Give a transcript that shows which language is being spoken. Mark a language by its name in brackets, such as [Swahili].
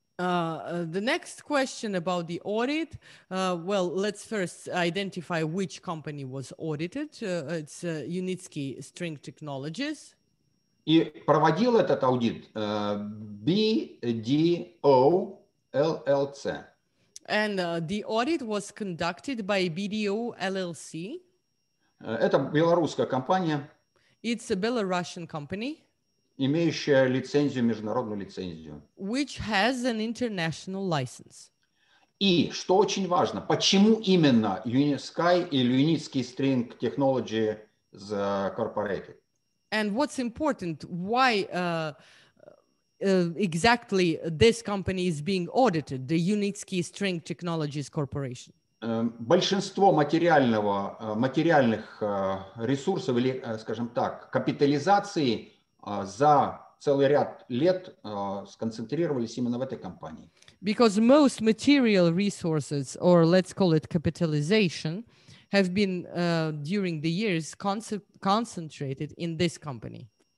[English] The next question about the audit, well, let's first identify which company was audited. It's Unitsky String Technologies. [Russian] И проводил этот аудит BDO LLC. [English] And the audit was conducted by BDO LLC. [Russian] Это белорусская компания. [English] It's a Belarusian company. [Russian] Имеющая лицензию, международную лицензию. [English] Which has an international license. [Russian] И, что очень важно, почему именно Unitsky или Unitsky String Technology Corporated? [English] And what's important, why exactly this company is being audited, the Unitsky String Technologies Corporation? [Russian] Большинство материальных ресурсов или, скажем так, капитализации за целый ряд лет сконцентрировались именно в этой компании. [English] Because most material resources, or let's call it capitalization, have been during the years concentrated in this company.